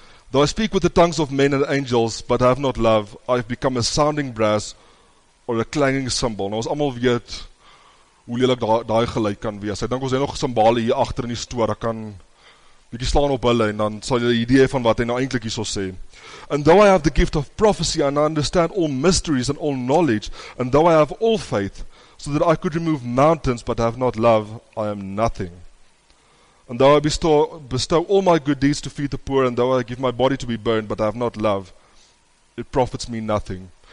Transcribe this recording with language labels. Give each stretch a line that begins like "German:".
English: Though I speak with the tongues of men and angels, but have not love, I have become a sounding brass or a clanging cymbal.
Afrikaans: Nou, ons allemaal weet hoe lelik daai gelyk kan wees. Ek dink ons het nog cymbale hier achter in die stoor, ek kan bietjie slaan op hulle, en dan sal jy die idee van wat hy nou eintlik hierso sê.
English: And though I have the gift of prophecy, and I understand all mysteries and all knowledge, and though I have all faith, so that I could remove mountains, but have not love, I am nothing. And though I bestow all my good deeds to feed the poor, and though I give my body to be burned, but I have not love, it profits me nothing.